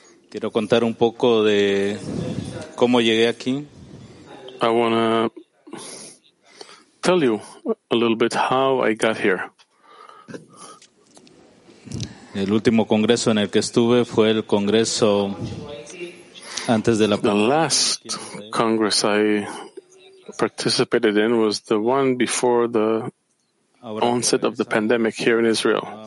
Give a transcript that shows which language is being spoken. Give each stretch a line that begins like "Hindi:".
Spanish: Quiero contar un poco de cómo llegué aquí.
English: I want to tell you a little bit how I got here.
Spanish: El último congreso en el que estuve fue el congreso antes de la pandemia.
English: The last congress I participated in was the one before the onset of the pandemic here in Israel.